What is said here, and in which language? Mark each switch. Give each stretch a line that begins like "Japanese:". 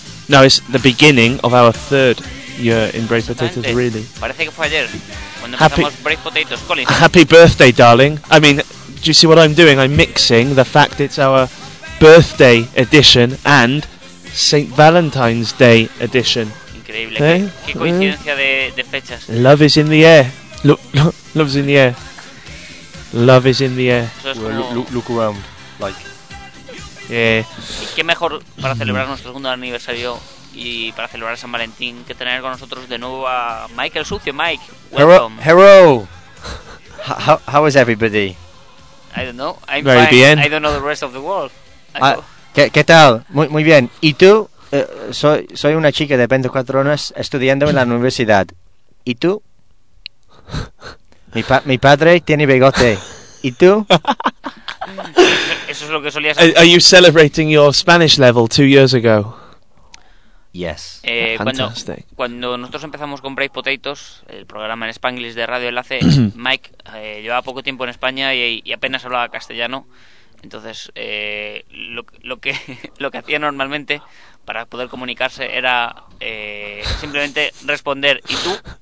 English: No, it's the beginning of our third year in Break Potatoes, really.
Spanish: Parece que fue ayer cuando empezamos Break Potatoes, Colin.
English: Happy birthday, darling. I mean, do you see what I'm doing? I'm mixing the fact it's our birthday edition and St. Valentine's Day edition.
Spanish: Increíble. ¿Eh? Qué coincidencia de fechas.
English: Love is in the air. Love's in the air. Love is in the air. Look around, like. Yeah.
Spanish: ¿Qué mejor para celebrar nuestro segundo aniversario y para celebrar San Valentín que tener con nosotros de nuevo a Michael Sucio?
English: Mike, welcome. Hello. How is everybody? I don't know. I'm very fine.
Spanish: Bien.
English: I don't know the rest of the world.
Spanish: ¿Qué tal? Muy bien. ¿Y tú? Soy una chica de 24 años estudiando en la universidad. ¿Y tú? Mi padre tiene bigote. ¿Y tú? Eso es lo que solías hacer.
English: Are you celebrating your Spanish level 2 years ago? Yes.
Spanish: Cuando nosotros empezamos con Break Potatoes, el programa en Spanglish de Radio Enlace, Mike llevaba poco tiempo en España y apenas hablaba castellano. Entonces, lo que hacía normalmente para poder comunicarse era simplemente responder, ¿y tú?